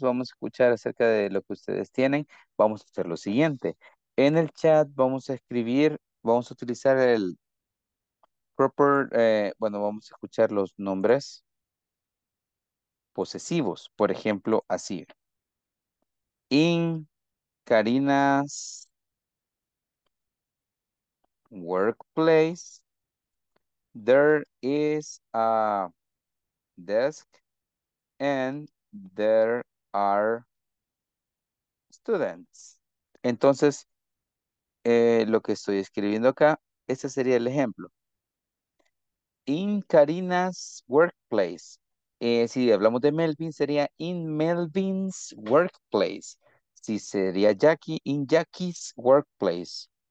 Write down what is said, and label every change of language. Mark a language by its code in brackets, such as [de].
[es] Vamos a escuchar acerca de lo que ustedes tienen. Vamos a hacer lo siguiente. En el chat vamos a escribir, vamos a utilizar el proper, bueno, vamos a escuchar los nombres posesivos. Por ejemplo, así. [en] In Karina's workplace, there is a desk and there are students. [es] Entonces, lo que estoy escribiendo acá, este sería el ejemplo. [en] In Karina's workplace. [es] Si hablamos de Melvin, sería [en] in Melvin's workplace. [es] Si sería Jackie, [en] in Jackie's workplace.